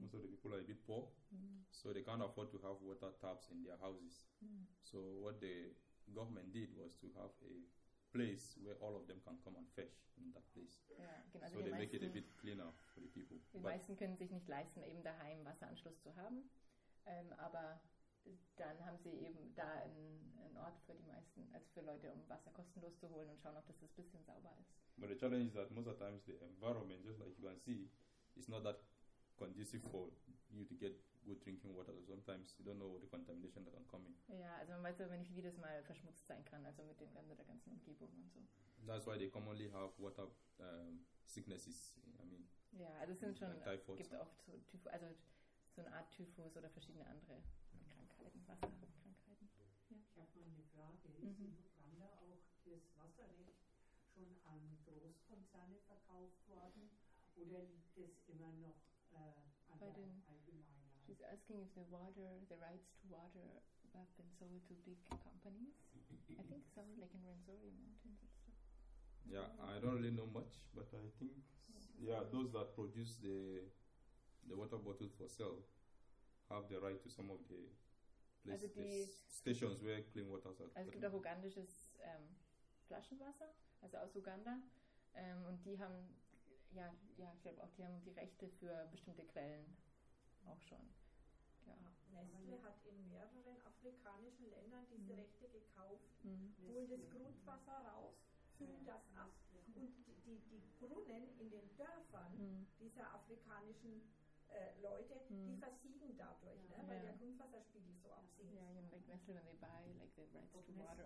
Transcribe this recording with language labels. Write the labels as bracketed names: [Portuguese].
[English] most of the people are a bit poor, mm-hmm. so they can't afford to have water taps in their houses. Mm. So what the government did was to have a place where all of them can come and fetch in that place. Yeah, so they make it a bit cleaner for the people. [German] Die meisten können sich nicht leisten, eben daheim Wasseranschluss zu haben, aber dann haben sie eben da einen Ort für die meisten, also für Leute, um Wasser kostenlos zu holen und schauen, ob das ein bisschen sauber ist. [English] But the challenge is that most of the times the environment, just like you can see, is not that conducive for you to get good drinking water. So sometimes you don't know what the contamination that can come in. [German] Ja, also man weiß aber nicht, wie das mal verschmutzt sein kann, also mit der ganzen Umgebung und so. [English] That's why they commonly have water sicknesses. I mean, [German] ja, also es sind schon, gibt oft so Typhus, also so eine Art Typhus oder verschiedene andere Krankheiten, Wasserkrankheiten. Ja. Ich habe mal eine Frage. Ist in Uganda auch das Wasserrecht schon an Großkonzerne verkauft worden oder liegt es immer noch an bei der Allgemeinheit? [English] She's asking if the water, the rights to water have been sold to big companies. I think so, like in Rwenzori Mountains and stuff. Yeah, I don't really know much, but I think those that produce the water bottle for sale have the right to some of the places, also the stations where clean water is. [German] Also es gibt auch ugandisches Flaschenwasser, also aus Uganda, und die haben ich glaube auch, die haben die Rechte für bestimmte Quellen auch schon. Ja. Nestle hat in mehreren afrikanischen Ländern diese Rechte gekauft, holen das Grundwasser raus, füllen das ab, und die Brunnen in den Dörfern dieser afrikanischen Leute, die versiegen dadurch, ne? Weil der Grundwasserspiegel so absinkt. [English] Yeah, like Nestle, when they buy like the rights to water,